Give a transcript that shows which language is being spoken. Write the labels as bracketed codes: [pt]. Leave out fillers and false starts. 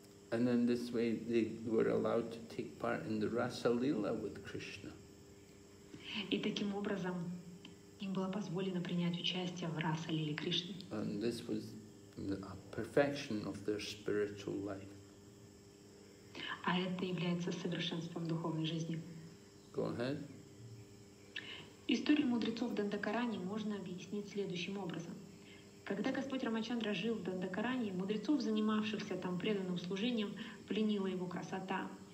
[en] And then this way they were allowed to take part in the Rasa Lila with Krishna. [ru] И таким образом им было позволено принять участие в Раса Лиле Кришны. [en] And this was the perfection of their spiritual life. [ru] А это является совершенством духовной жизни. [en] Go ahead. [ru] Историю мудрецов Дандакарани можно объяснить следующим образом. Когда Господь Рамачандра жил в Дандакарани, мудрецов, занимавшихся там преданным служением, пленила его красота.